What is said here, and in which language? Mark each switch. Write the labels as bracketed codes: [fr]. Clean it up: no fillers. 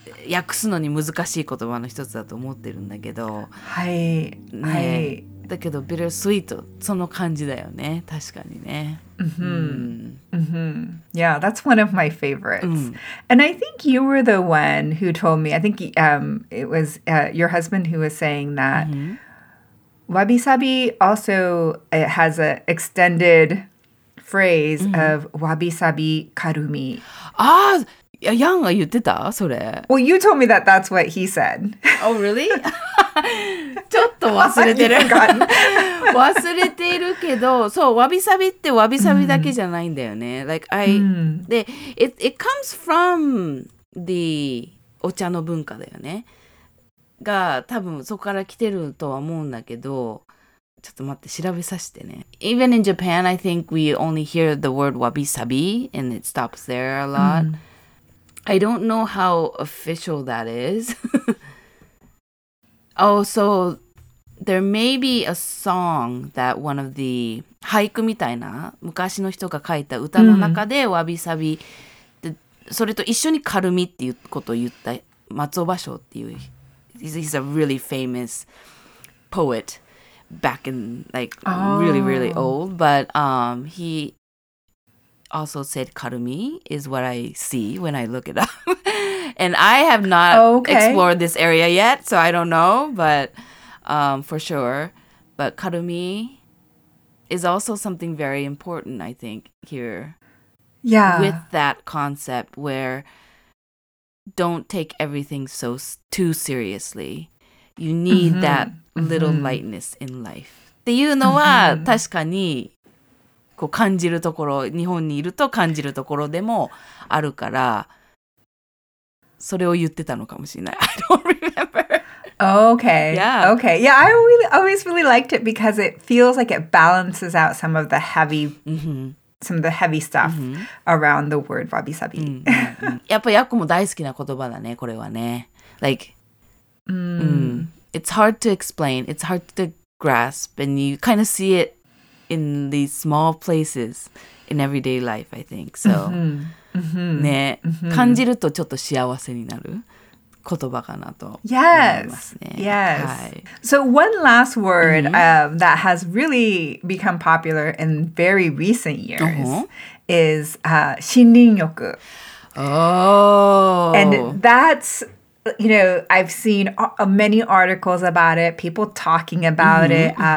[ja] 訳すのに難しい言葉の一つだと思ってるんだけど、はい、ね、はい、だけどビタースイート、その感じだよね、確かにね。 [en] Yeah, that's one of my favorites. And I think you were the one who told me, I think it was your husband who was saying that wabi sabi also has an extended phrase of wabi sabi karumi. [ja] Ah, Yang が言ってたそれ。 [en] Well, you told me that that's what he said. Oh, really? [ja] ちょっと忘れてる忘れているけど、そう、わびさびってわびさびだけじゃないんだよね。 [en] Like I, で、it comes from the [ja] お茶の文化だよね。が、多分そこから来てるとは思うんだけど、ちょっと待って、調べさせてね。 [en] Even in Japan, I think we only hear the word わびさび and it stops there a lot.、I don't know how official that is. Oh, so there may be a song that one of the [ja] 俳句みたいな昔の人が書いた歌の中でわびさびで、それと一緒にカルミっていうことを言った松尾芭蕉っていう、 [en] he's a really famous poet back in like、really really old, but he also said カルミ is what I see when I look it up. And I have not explored this area yet, so I don't know, but for sure. But karumi is also something very important, I think, here. Yeah. With that concept where don't take everything too seriously. You need that little lightness in life. [ja] っていうのは確かにこう感じるところ、日本にいると感じるところでもあるから、それを言ってたのかもしれない。 [en] I don't remember. Okay. Yeah. Okay. Yeah, I really, always really liked it because it feels like it balances out some of the heavy,、some of the heavy stuff around the word wabi sabi. [ja] やっぱヤコも大好きな言葉だね、これはね。 [en] Like,、it's hard to explain. It's hard to grasp. And you kind of see it in these small places in everyday life, I think. [ja] So...、ね、感じるとちょっと幸せになる言葉かなと思いますね。 [en] Yes. Yes. So one last word、that has really become popular in very recent years is 森林浴。 And that's, you know, I've seen many articles about it, people talking about it.